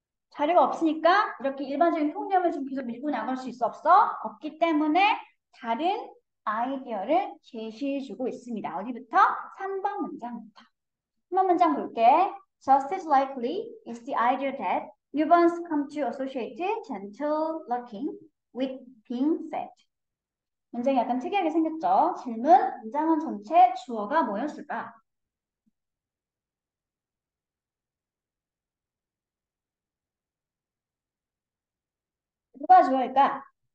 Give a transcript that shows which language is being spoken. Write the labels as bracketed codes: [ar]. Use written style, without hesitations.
[ko] 자료가 없으니까 이렇게 일반적인 통념을 좀 계속 밀고 나갈 수 있어 없어? 없기 때문에 다른 아이디어를 제시해주고 있습니다. 어디부터? 3번 문장부터. 3번 문장 볼게. [en] Just as likely is the idea that newborns come to associate gentle rocking with being fed. [ko] 문장이 약간 특이하게 생겼죠? 질문, 문장은 전체 주어가 뭐였을까? 누가 좋아할까?